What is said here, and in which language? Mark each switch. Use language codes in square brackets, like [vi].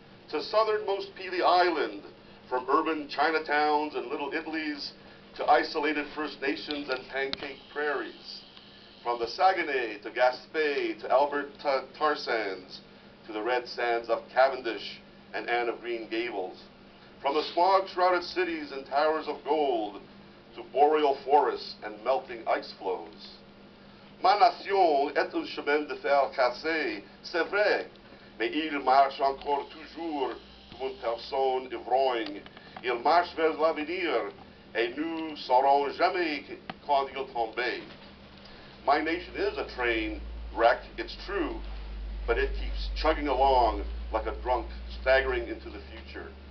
[en] to southernmost Pelee Island, from urban Chinatowns and Little Italies to isolated First Nations and pancake prairies, from the Saguenay to Gaspé to Alberta tar sands, to the red sands of Cavendish and Anne of Green Gables, from the smog-shrouded cities and towers of gold to boreal forests and melting ice flows. [fr] Ma nation est un chemin de fer cassé, c'est vrai, mais il marche encore toujours comme une personne ivrogne. Il marche vers l'avenir et nous saurons jamais quand il tombe. [en] My nation is a train wreck, it's true, but it keeps chugging along like a drunk staggering into the future.